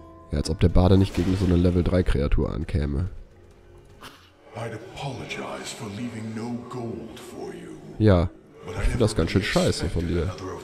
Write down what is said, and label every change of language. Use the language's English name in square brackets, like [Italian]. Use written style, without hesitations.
[German] Ja, als ob der Bade nicht gegen so eine Level 3 Kreatur ankäme. [English] I'd apologize for leaving no gold for you. [German] Ja, ich finde das ganz schön scheiße von dir.